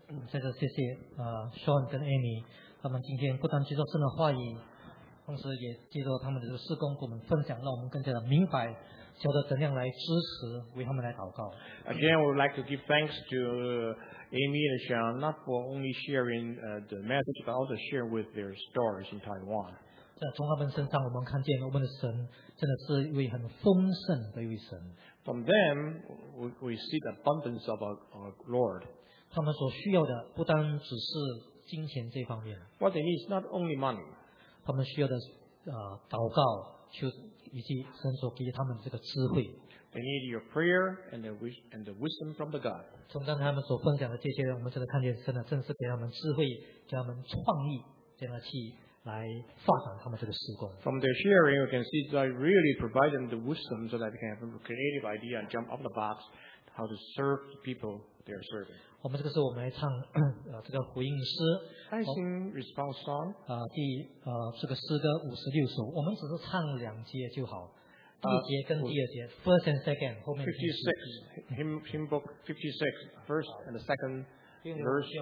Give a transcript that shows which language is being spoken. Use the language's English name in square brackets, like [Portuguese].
[Chinese] 在这谢谢Sean 跟 Amy 他们今天不单接受圣的话语，同时也接受他们的事工跟我们分享，让我们更加的明白晓得怎样来支持为他们来祷告。 [English] Again, we would like to give thanks to Amy and Sean not for only sharing the message but also share with their stories in Taiwan. [Chinese] 从他们身上我们看见我们的神真的是一位很丰盛的一位神。 [English] From them, we see the abundance of our Lord. [Chinese] 他们所需要的不单只是金钱这方面。 [English] What they need is not only money. [Chinese] 他们需要的祷告求以及神所给他们这个智慧。 [English] They need your prayer and the wisdom from the God. [Chinese] 从刚才他们所分享的这些人，我们真的看见神的正是给他们智慧，给他们创意，这样去来发展他们这个事工。 [English] From their sharing, we can see that really provide them the wisdom so that they can have a creative idea and jump out of the box how to serve the people. [Chinese] 我们这个是我们来唱这个回应诗。 [English] 爱心 response song。 [Chinese] 这个诗歌56首，我们只是唱两节就好，第一节跟第二节 ， [English] first and second [Chinese] 后面。 [English] 56 hymn book 56 first and the second verse。